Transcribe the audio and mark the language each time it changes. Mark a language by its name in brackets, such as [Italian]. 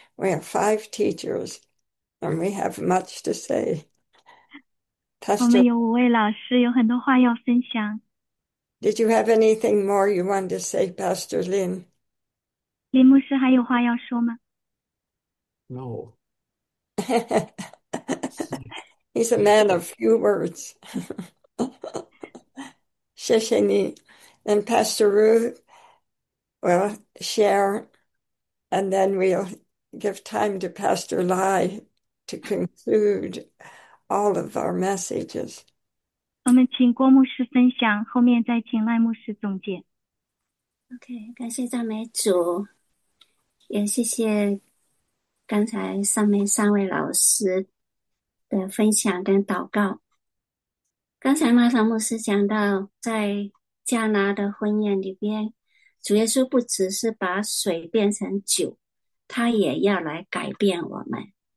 [English] We have five teachers, and we have much to say. [Chinese] 我们 [English] Pastor, [Chinese] 有五位老师，有很多话要分享。 [English] did you have anything more you want to say, Pastor Lin? [Chinese] 林牧师还有话要说吗？ [English] No. He's a man of few words. [Chinese] 谢谢你。 [English] And Pastor Ruth will share, and then we'll give time to Pastor Lai to conclude all of our messages. [Chinese] 我们请郭牧师分享，后面再请赖牧师总结。 OK，感谢赞美主，也谢谢刚才上面三位老师的分享跟祷告。刚才马上牧师讲到，在加拿的婚宴里边，主耶稣不只是把水变成酒，他也要来改变我们。